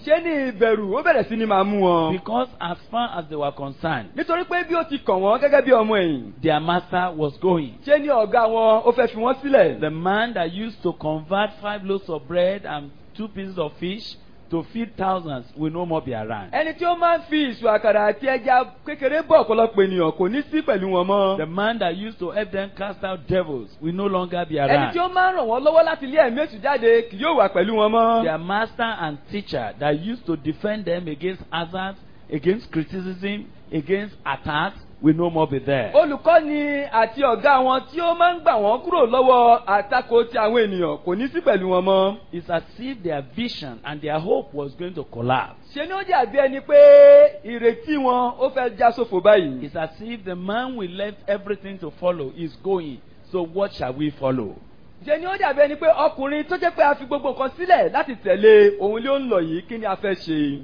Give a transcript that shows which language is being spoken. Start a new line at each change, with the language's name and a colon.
Yoruba: Se ni iberu o bere si ni ma mu won?
English: Because as far as they were concerned,
Yoruba: nitori pe bi o ti kan won gege bi omo eyin,
English: their master was going.
Yoruba: Se ni oga won o fe fi won sile?
English: The man that used to convert 5 loaves of bread and 2 pieces of fish to feed thousands will no more be around.
Yoruba: Ẹni tí ó máa ń fi ìṣù àkàrà àti ẹja kékeré bọ̀ ọ̀pọ̀lọpọ̀ ènìyàn kò ní sí pẹ̀lú wọn mọ́.
English: The man that used to help them cast out devils will no longer be around.
Yoruba: Ẹni tí ó máa ń ràn wọ́n lọ́wọ́ láti ilé ẹ̀mí èṣù jáde kì yóò wà pẹ̀lú wọn mọ́.
English: Their master and teacher that used to defend them against hazards, against criticism, against attacks will no more be there.
Yoruba: Olùkọ́ni àti ọ̀gá wọn tí ó máa ń gbà wọ́n kúrò lọ́wọ́ àtakò ti àwọn ènìyàn kò ní sí pẹ̀lú wọn mọ́.
English: It's as if their vision and their hope was going to collapse.
Yoruba: Ṣé ni ó dàbí ẹni pé ìrètí wọn ó fẹ́ já sófo báyìí?
English: It's as if the man we left everything to follow is going, so what shall we follow?
Yoruba: Ṣé ni ó dàbí ẹni pé ọkùnrin tó jẹ́ pé a fi gbogbo nǹkan sílẹ̀ láti tẹ̀lé ohun ló ń lọ yìí, kí ni a fẹ́ ṣe?